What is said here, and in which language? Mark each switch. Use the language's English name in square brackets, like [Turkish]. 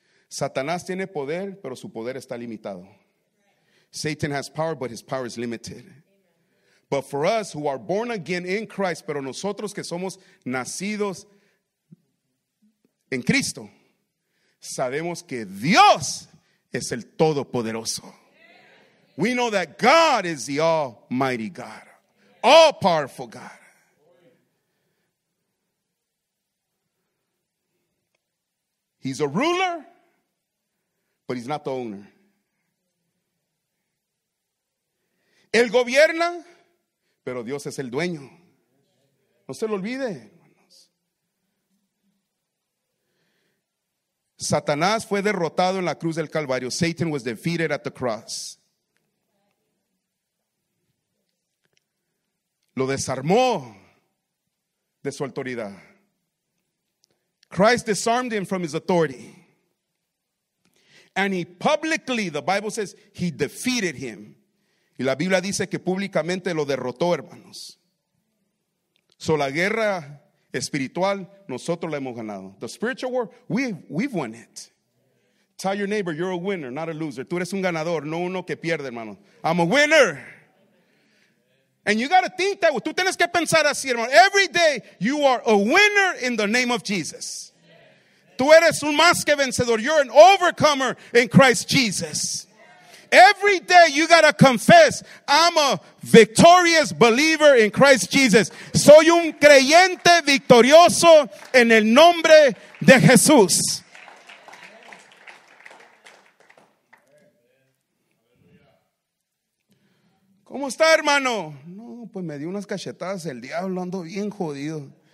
[Spanish] Satanás tiene poder, pero su poder está limitado. [English] Satan has power, but his power is limited. But for us who are born again in Christ, [Spanish] pero nosotros que somos nacidos en Cristo, sabemos que Dios es el Todopoderoso. [English] We know that God is the Almighty God, all-powerful God. He's a ruler, but he's not the owner. [Spanish] Él gobierna, pero Dios es el dueño. No se lo olvide, hermanos. Satanás fue derrotado en la cruz del Calvario. [English] Satan was defeated at the cross. [Spanish] Lo desarmó de su autoridad. [English] Christ disarmed him from his authority. And he publicly, the Bible says, he defeated him. [Spanish] Y la Biblia dice que públicamente lo derrotó, hermanos. So la guerra espiritual, nosotros la hemos ganado. [English] The spiritual war, we've won it. Tell your neighbor, you're a winner, not a loser. [Spanish] Tú eres un ganador, no uno que pierde, hermano. [English] I'm a winner. And you got to think that way. [Spanish] Tú tienes que pensar así, hermano. [English] Every day, you are a winner in the name of Jesus. [Spanish] Tú eres un más que vencedor. [English] You're an overcomer in Christ Jesus. Every day, you got to confess, I'm a victorious believer in Christ Jesus. [Spanish] Soy un creyente victorioso en el nombre de Jesús. ¿Cómo está, hermano? No, pues me dio unas cachetadas el diablo, ando bien jodido.